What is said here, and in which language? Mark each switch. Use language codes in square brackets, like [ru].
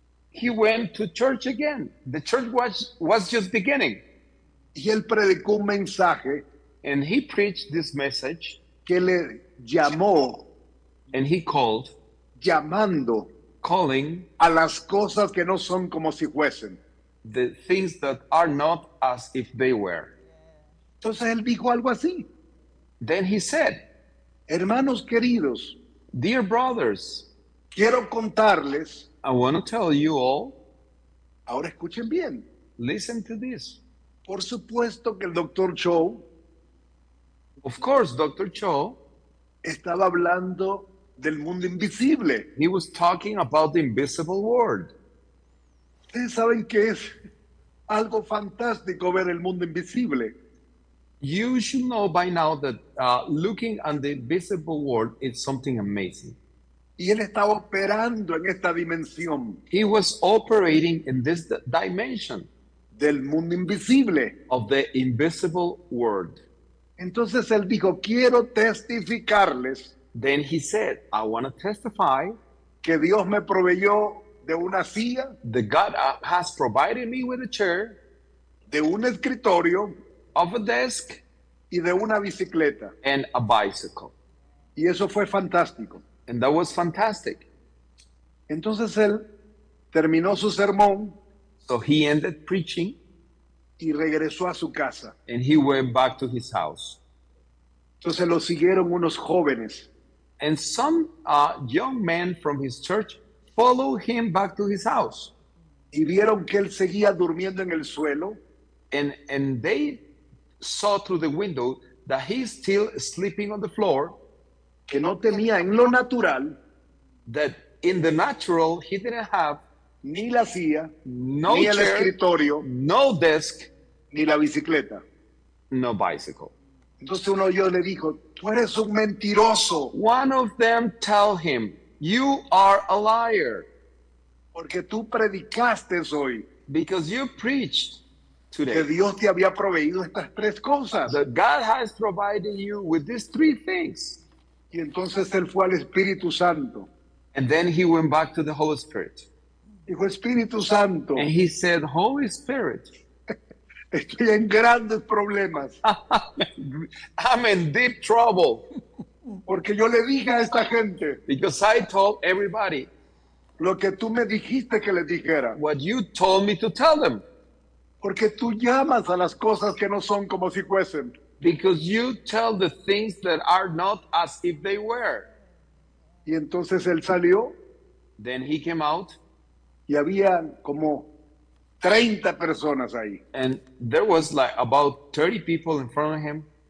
[en] He went to church again. The church was just beginning. [es] Y él predicó un mensaje, [en] and he preached this message, [es] que le llamó, [en] and he called, [es] llamando, [en] calling, [es] a las cosas que no son como si fuesen, [en] the things that are not as if they were. [es] Entonces él dijo algo así. [en] Then he said, [es] hermanos queridos, [en] dear brothers, [es] quiero contarles, [en] I want to tell you all, [es] ahora escuchen bien, [en] listen to this. [es] Por supuesto que el Dr. Cho, [en] of course, Dr. Cho, [es] estaba hablando del mundo invisible. [en] He was talking about the invisible world. [es] Ustedes saben que es algo fantástico ver el mundo invisible. [en] You should know by now that looking at the invisible world is something amazing. [es] Y él estaba operando en esta dimensión. [en] He was operating in this dimension. [es] Del mundo invisible. [en] Of the invisible world. [es] Entonces él dijo, quiero testificarles. [en] Then he said, I want to testify. [es] Que Dios me proveyó de una silla. [en] That God has provided me with a chair. [es] De un escritorio. [en] Of a desk. [es] Y de una bicicleta. [en] And a bicycle. [es] Y eso fue fantástico. [en] And that was fantastic. [es] Entonces él terminó su sermón. [en] So he ended preaching. [es] Y regresó a su casa. [en] And he went back to his house. [es] Entonces lo siguieron unos jóvenes. [en] And some young men from his church followed him back to his house. [es] Y vieron que él seguía durmiendo en el suelo. [en] And they saw through the window that he's still sleeping on the floor. [es] Que no tenía en lo natural. [en] That in the natural, he didn't have [es] ni la silla, [en] no [es] ni [en] chair, [es] el escritorio, [en] no desk, [es] ni la bicicleta, [en] no bicycle. [es] Entonces uno yo le dijo, tú eres un mentiroso. [en] One of them tell him, you are a liar. [es] Porque tú predicaste hoy. [en] Because you preached today. [es] Que Dios te había proveído estas tres cosas. [en] That God has provided you with these three things. [es] Y entonces él fue al Espíritu Santo. [en] And then he went back to the Holy Spirit. [es] Dijo, Espíritu Santo. [en] And he said, Holy Spirit. [es] Estoy en grandes problemas. [en] I'm in deep trouble. [es] Porque yo le dije a esta gente. [en] Because I told everybody. [es] Lo que tú me dijiste que le dijera. [en] What you told me to tell them. [es] Porque tú llamas a las cosas que no son como si fuesen. [en] Because you tell the things that are not as if they were. [es] Y entonces él salió. [en] Then he came out. [es] Y había como 30 personas ahí. [en] And there was like about 30 people in front of him.